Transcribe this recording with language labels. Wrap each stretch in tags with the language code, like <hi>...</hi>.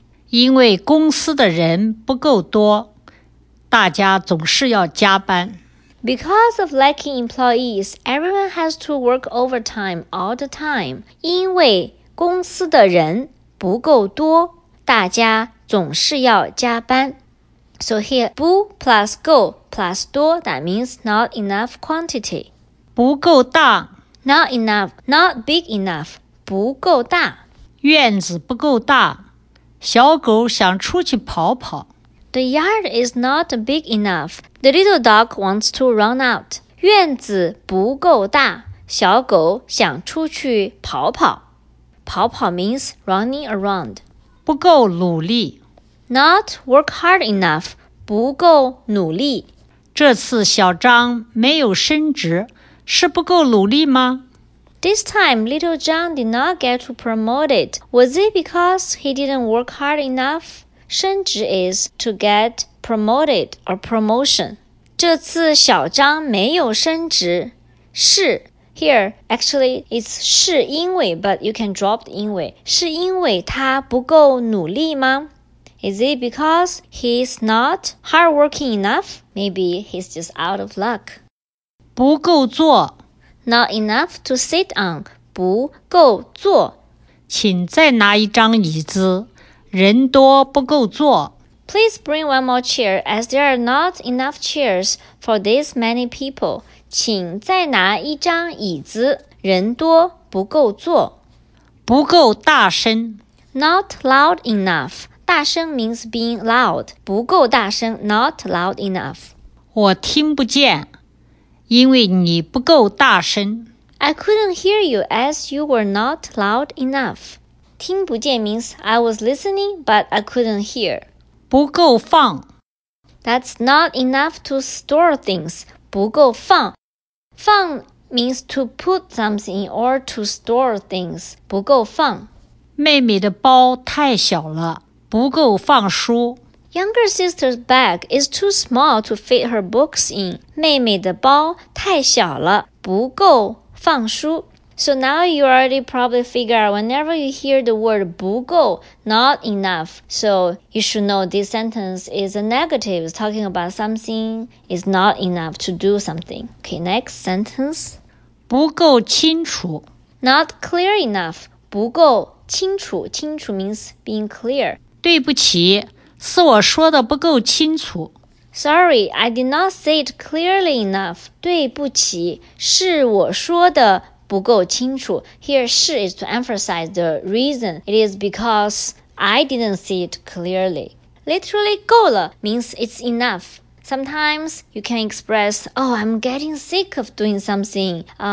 <zh>因为公司的人不够多，大家总是要加班。</zh> <en>Because of lacking employees, everyone has to work overtime all the time.</en> <zh>因为公司的人不够多，大家总是要加班。</zh> <en>So here, 不 plus 够 plus 多, that means not enough quantity.</en> <zh>不够大。</zh> <en>Not enough, not big enough,</en> <zh>不够大。院子不够大。小狗想出去跑跑。</zh> <en>The yard is not big enough. The little dog wants to run out.</en> <zh>院子不够大。小狗想出去跑跑。</zh> <en>跑跑 means running around.</en> <zh>不够努力。</zh> <en>Not work hard enough,</en> <zh>不够努力。这次小张没有升职，是不够努力吗？</zh> <en>This time, little John did not get to promote it. Was it because he didn't work hard enough? 升职 is to get promoted or promotion.</en> <zh>这次小张没有升职，是</zh> <en>Here, actually, it's 是因为 but you can drop the 因为</en> <zh>是因为他不够努力吗</zh> <en>Is it because he's not hardworking enough? Maybe he's just out of luck.</en> <zh>不够坐</zh> <en>Not enough to sit on.</en> <zh>不够坐请再拿一张椅子人多不够坐</zh> <en>Please bring one more chair as there are not enough chairs for this many people.</en> <zh>请再拿一张椅子人多不够坐不够大声</zh> <en>Not loud enough 大声 means being loud</en> <zh>不够大声</zh> <en>Not loud enough</en> <zh>我听不见因为你不够大声</zh> <en>I couldn't hear you as you were not loud enough</en> <zh>听不见</zh> <en>means I was listening but I couldn't hear</en> <zh>不够放</zh> <en>That's not enough to store things</en> <zh>不够放放</zh> <en>means to put something or to store things.</en> <zh>不够放。妹妹的包太小了，不够放书。</zh> <en>Younger sister's bag is too small to fit her books in.</en> <zh>妹妹的包太小了，不够放书。</zh> <en>So now you already probably figure out whenever you hear the word 不够 not enough. So you should know this sentence is a negative. It's talking about something is not enough to do something. Okay, next sentence.</en> <zh>不够清楚</zh> <en>Not clear enough.</en> <zh>不够清楚清楚</zh> <en>means being clear.</en> <zh>对不起是我说的不够清楚</zh> <en>Sorry, I did not say it clearly enough.</en> <zh>对不起是我说的不够清楚</zh> <en>Here, 是 is to emphasize the reason. It is because I didn't see it clearly. Literally,</en> <zh>够了</zh> <en>means it's enough. Sometimes you can express, oh, I'm getting sick of doing something.</en>